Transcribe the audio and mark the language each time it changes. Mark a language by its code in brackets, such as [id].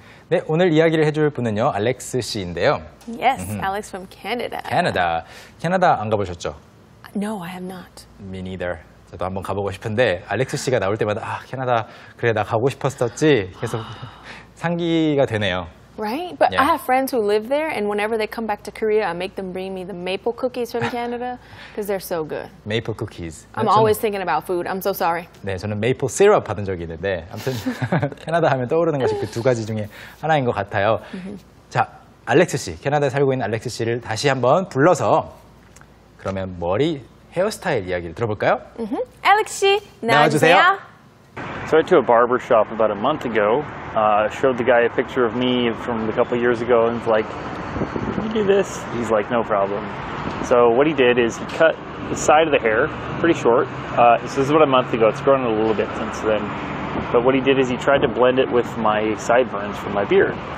[ko] 네, 오늘 이야기를 해줄 분은요, 알렉스 씨인데요. [en] Yes, Alex from Canada. [ko] Canada. 캐나다 안 가보셨죠? [en] No, I have not. Me neither. [ko] 저도 한번 가보고 싶은데 알렉스 씨가 나올 때마다 아, 캐나다 그래 나 가고 싶었었지 계속 상기가 되네요. [en] Right? But yeah. I have friends who live there and whenever they come back to Korea, I make them bring me the maple cookies from Canada because they're so good. Maple cookies. I'm always thinking about food. I'm so sorry. [ko] 네, 저는 maple syrup 받은 적이 있는데 아무튼 캐나다 하면 떠오르는 것이 그 두 가지 중에 하나인 것 같아요. 자, 알렉스 씨, 캐나다에 살고 있는 알렉스 씨를 다시 한번 불러서 그러면 머리 헤어스타일 이야기를 들어볼까요? 알렉스 씨, 나와주세요. [en] So I went to a barber shop about a month ago, showed the guy a picture of me from a couple years ago, and was like, can you do this? He's like, no problem. So what he did is he cut the side of the hair pretty short. So this is about a month ago. It's grown a little bit since then. But what he did is he tried to blend it with my sideburns from my beard.